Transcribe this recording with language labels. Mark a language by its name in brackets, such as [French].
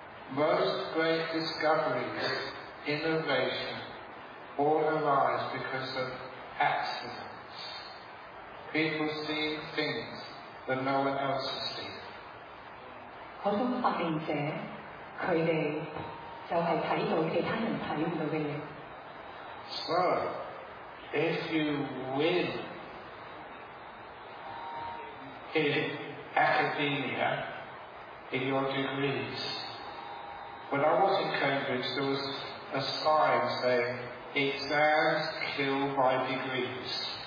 [English] Most great discoveries, innovation, all arise because of accidents. People see things that no one else has seen. [Chinese] 很多发明者他们就是看到其他人看不到的东西 [English] So, if you win in academia, in your degrees, when I was in Cambridge, there was a sign saying, exams kill my degrees.